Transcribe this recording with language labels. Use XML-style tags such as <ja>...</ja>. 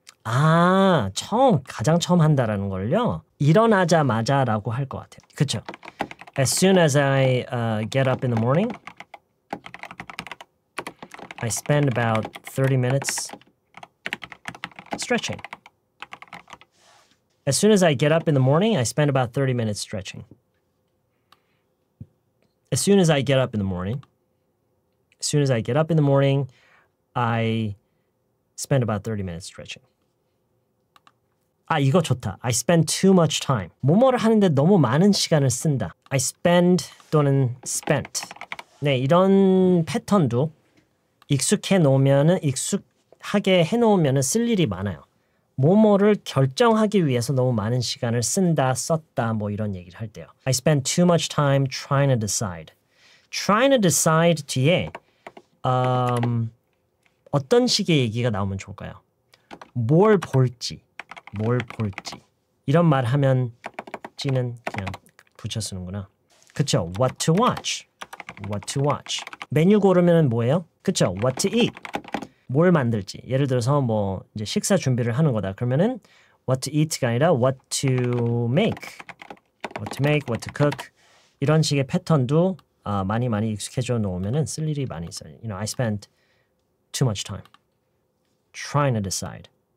<ko>아, 처음, 가장 처음 한다라는 걸요. 일어나자마자라고 할 것 같아요. 그쵸?</ko> <en>As soon as I get up in the morning, I spend about 30 minutes stretching. As soon as I get up in the morning, I spend about 30 minutes stretching. As soon as I get up in the morning, as soon as I get up in the morning, I spend about 30 minutes stretching.</en> <ko>아, 이거 좋다.</ko> <en>I spend too much time.</en> <ko>뭐뭐를 하는데 너무 많은 시간을 쓴다.</ko> <en>I spend 또는 spent.</en> <ko>네, 이런 패턴도 익숙하게 해놓으면 쓸 일이 많아요. 뭐뭐를 결정하기 위해서 너무 많은 시간을 쓴다, 썼다, 뭐 이런 얘기를 할 때요.</ko> <en>I spend too much time trying to decide. Trying to decide</en> <ko>뒤에 어떤 식의 얘기가 나오면 좋을까요? 뭘 볼지. 뭘 볼지 이런 말 하면 지는 그냥 붙여 쓰는구나. 그쵸?</ko> <en>What to watch? What to watch?</en> <ko>메뉴 고르면 뭐예요? 그쵸?</ko> <en>What to eat?</en> <ko>뭘 만들지? 예를 들어서 뭐 이제 식사 준비를 하는 거다. 그러면은</ko> <en>What to eat</en> <ko>가 아니라</ko> <en>What to make? What to make? What to cook?</en> <ko>이런 식의 패턴도 많이 많이 익숙해져 놓으면은 쓸 일이 많이 있어요.</ko> <en>You know, I spent too much time trying to decide.</en>